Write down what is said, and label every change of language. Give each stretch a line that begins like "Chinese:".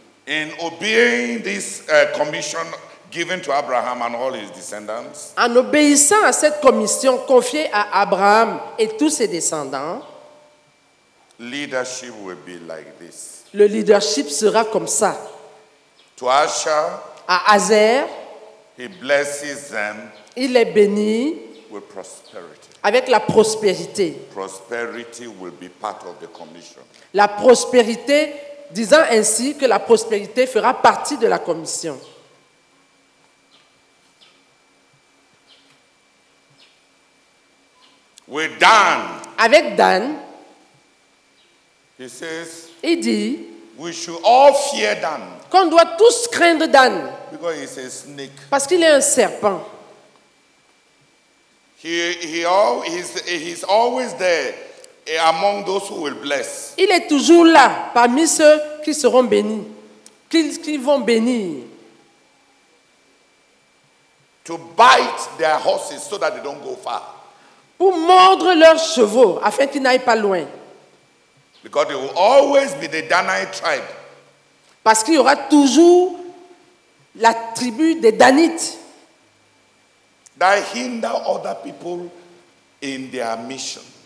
English: In obeying this commission given to Abraham and all his descendants.
French: En obéissant à cette commission confiée à Abraham et tous ses descendants,
English: leadership will be like this.
French: Le leadership sera comme ça.
English: To Asher,
French: à Azer,
English: he blesses them.
French: Il les bénit
English: with prosperity.
French: Avec la prospérité.
English: Prosperity will be part of the commission.
French: La prospérité, disant ainsi que la prospérité fera partie de la commission.
English: With Dan,
French: avec Dan,
English: he says,
French: il dit,
English: we should all fear Dan,
French: qu'on doit tous craindre Dan,
English: because he's a snake,
French: parce qu'il est un serpent.
English: He's always there among those who will bless.
French: Il est toujours là parmi ceux qui seront bénis, qui vont bénir.
English: to bite their horses so that they don't go far.
French: Pour mordre leurs chevaux afin qu'ils n'aillent pas loin.
English: Because there will always be the Danite tribe.
French: Parce qu'il y aura toujours la tribu des Danites.
English: That hinder other people in their mission.